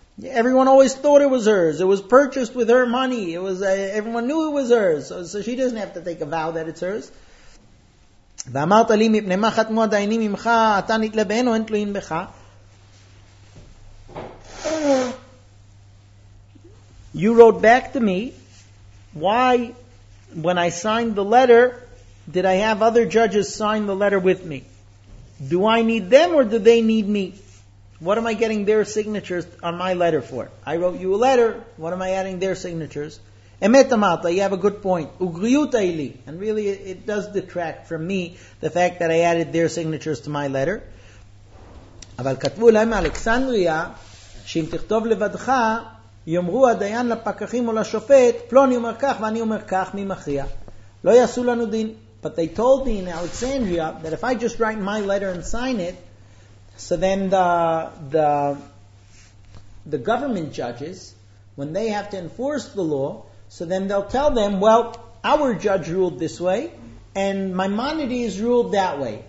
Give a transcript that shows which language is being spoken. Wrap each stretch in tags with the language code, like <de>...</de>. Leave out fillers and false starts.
<en>Everyone always thought it was hers. It was purchased with her money. It was everyone knew it was hers. So she doesn't have to take a vow that it's hers.</en> <he>ואמרת לי מפני מה חתמו הדיינים ממך אתה נתלה בהן או אין תלויים בך.</he> <en>You wrote back to me, why, when I signed the letter, did I have other judges sign the letter with me? Do I need them or do they need me? What am I getting their signatures on my letter for? I wrote you a letter, what am I adding their signatures?</en> <he>Emet amata,</he> <en>you have a good point.</en> <he>Ugriuta ili.</he> <en>And really, it does detract from me the fact that I added their signatures to my letter.</en> <he>אבל כתבו להם אלכסנדריה, שאם תכתוב לבדך, יאמרו הדיין לפקחים או לשופט, פלוני אומר כך ואני אומר כך, מי מכריע? לא יעשו לנו דין.</he> <en>But they told me in Alexandria that if I just write my letter and sign it, so then the government judges, when they have to enforce the law, so then they'll tell them, well, our judge ruled this way, and Maimonides ruled that way.</en>